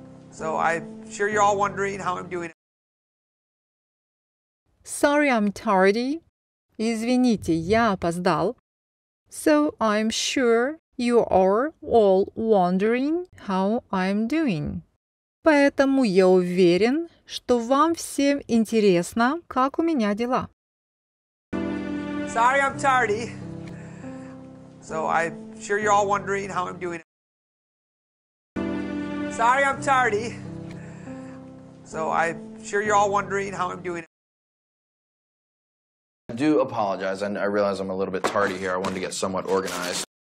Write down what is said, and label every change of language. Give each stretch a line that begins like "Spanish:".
English: So I'm sure you're all wondering how I'm doing. Sorry, I'm tardy.
Russian: Извините, я опоздал.
English: So I'm sure you are all wondering how I'm doing.
Russian: Поэтому я уверен, что вам всем интересно, как у меня дела.
English: Sorry, I'm tardy. So I'm sure you're all wondering how I'm doing. Sorry, I'm tardy. So I'm sure you're all wondering how I'm doing. I do apologize, and I realize I'm a little bit tardy here. I wanted to get somewhat organized.